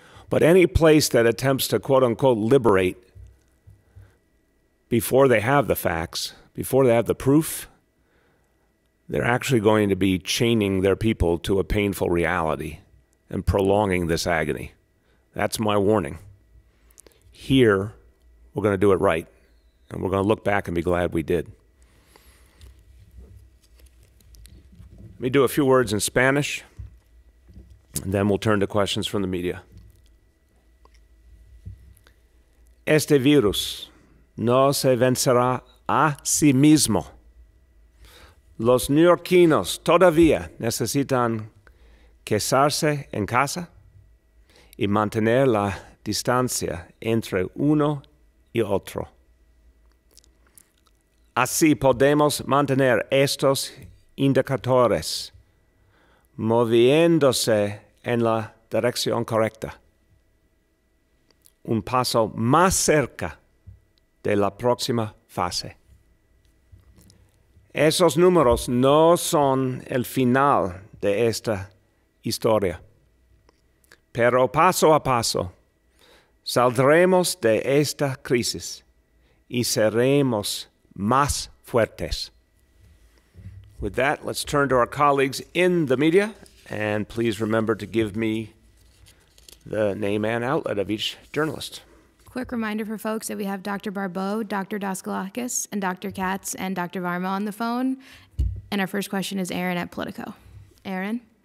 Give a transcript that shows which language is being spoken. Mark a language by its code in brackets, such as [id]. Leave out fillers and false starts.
[en] But any place that attempts to quote unquote liberate before they have the facts, before they have the proof, they're actually going to be chaining their people to a painful reality and prolonging this agony. That's my warning. Here, we're going to do it right, and we're going to look back and be glad we did. Let me do a few words in Spanish, and then we'll turn to questions from the media. [es] Este virus no se vencerá a sí mismo. Los neoyorquinos todavía necesitan quedarse en casa y mantener la distancia entre uno y otro. Así podemos mantener estos indicadores moviéndose en la dirección correcta. Un paso más cerca de la próxima fase. Esos números no son el final de esta historia, pero paso a paso saldremos de esta crisis y seremos más fuertes. [en] With that, let's turn to our colleagues in the media, and please remember to give me the name and outlet of each journalist. Quick reminder for folks that we have Dr. Barbeau, Dr. Daskalakis, and Dr. Katz, and Dr. Varma on the phone. And our first question is Aaron at Politico. Aaron?